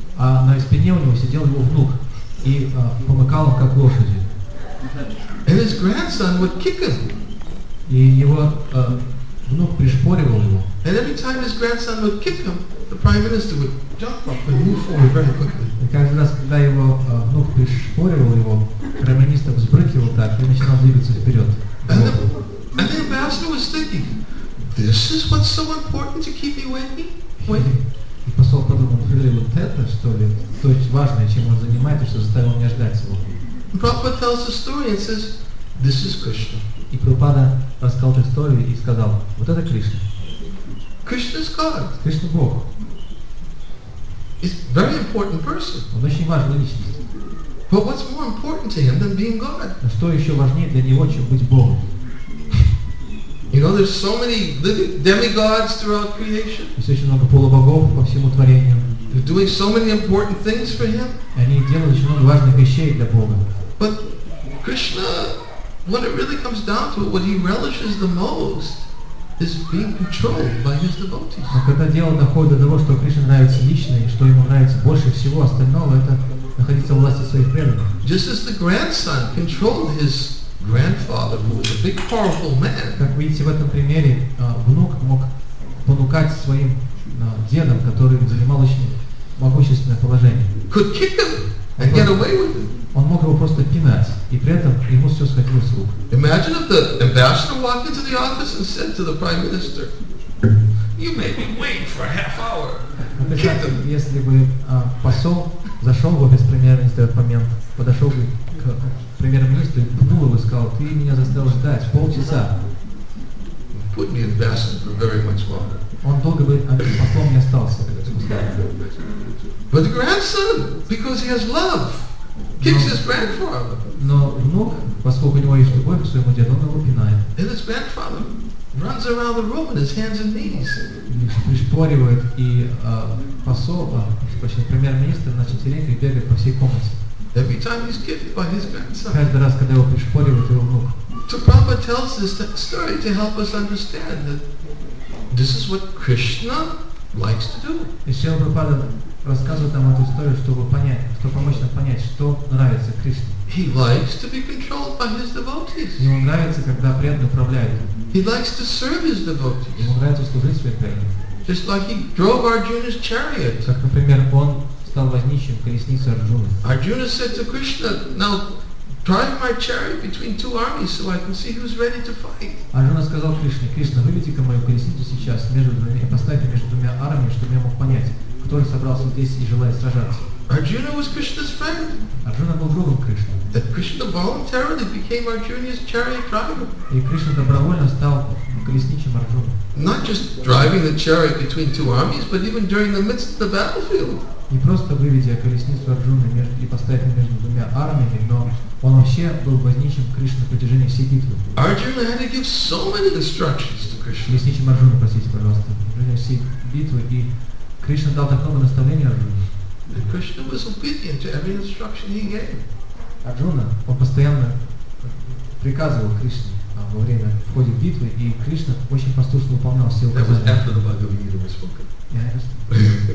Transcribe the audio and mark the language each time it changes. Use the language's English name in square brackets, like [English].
[Russian] А на спине у него сидел его внук и помыкал его как лошади. [English] And his grandson would kick him. [Russian] И его внук пришпоривал его. [English] And every time his grandson would kick him, the prime minister would jump up and move forward very quickly. [Russian] И каждый раз, когда его внук пришпоривал его, премьер-министр взбрыкивал так и начинал двигаться вперед. [English] And the ambassador was thinking, this is what's so important to keep me waiting? [Russian] И посол подумал, или вот это, что ли, то есть важное, чем он занимается, что заставил меня ждать его. [English] Prabhupada tells a story and says, this is Krishna. [Russian] И Прабхупада рассказал эту историю и сказал, вот это Кришна. [English] Krishna's God. [Russian] Кришна Бог. [English] He's a very important person. [Russian] Он очень важный личность. [English] But what's more important to him than being God? [Russian] А что еще важнее для него, чем быть Богом? [English] You know, there's so many living demigods throughout creation. [Russian] Есть очень много полубогов по всему творению. [English] They're doing so many important things for him. [Russian] Они делают очень много важных вещей для Бога. [English] But Krishna, when it really comes down to it, what he relishes the most is being controlled by his devotees. [Russian] Но когда дело доходит до того, что Кришна нравится лично и что ему нравится больше всего остального, это находиться в власти своих преданных. [English] Just as the grandson controlled his grandfather, who was a big, powerful man. [Russian] Как видите в этом примере, внук мог понукать своим дедом, который занимал очень могущественное положение. [English] Could kick him and get away with it. [Russian] Он мог его просто пинать, и при этом ему все сходило с рук. [English] Imagine if the ambassador walked into the office and said to the prime minister, "You made me wait for a half hour." [Russian] Если бы посол зашел бы без премьер-министра в этот момент, подошел бы к премьер-министру и пнул его и сказал, ты меня заставил ждать полчаса. [English] Put me in basket for very much longer. [Russian] Он долго бы послом не остался. [English] But the grandson, because he has love, kicks his grandfather. [Russian] Но внук, поскольку у него есть любовь к своему деду, он его пинает. [English] And his grandfather runs around the room on his hands and knees. [Russian] Пришпоривает и посол, точнее премьер-министр на четвереньках бегает по всей комнате. [English] Every time he's kicked by his grandson. [Russian] Каждый раз, когда его пришпоривает его внук. [English] So Prabhupada tells this story to help us understand that this is what Krishna likes to do. [Russian] И Шрила Прабхупада рассказывает нам эту историю, чтобы понять, чтобы помочь нам понять, что нравится Кришне. [English] He likes to be controlled by his devotees. [Russian] Ему нравится, когда преданные управляют. [English] He likes to serve his devotees. [Russian] Ему нравится служить своим преданным. [English] Just like he drove Arjuna's chariot. [Russian] Как, например, он стал возничим колесницы Арджуны. [English] Arjuna said to Krishna, "Now drive my chariot between two armies so I can see who's ready to fight." [Russian] Арджуна сказал Кришне, Кришна, выведи-ка мою колесницу сейчас между двумя, поставь между двумя армиями, чтобы я мог понять, кто собрался здесь и желает сражаться. [English] Arjuna was Krishna's friend. [Russian] Arjuna был другом Кришны. [English] That Krishna voluntarily became Arjuna's chariot driver. [Russian] И Кришна добровольно стал колесничим Арджуны. [English] Not just driving the chariot between two armies, but even during the midst of the battlefield. [Russian] не просто выведя колесницу Арджуны между, и поставив ее между двумя армиями, но он вообще был возничим Кришны на протяжении всей битвы. [English] Arjuna had to give so many instructions to Krishna. [Russian] Возничим Арджуны, простите, пожалуйста, на протяжении всей битвы, и Кришна дал так много наставлений Арджуне. [English] Krishna was obedient to every instruction he gave. [Russian] Арджуна, он постоянно приказывал Кришне во время, в ходе битвы, и Кришна очень послушно выполнял все указания. [English] That was after the Bhagavad Gita was spoken.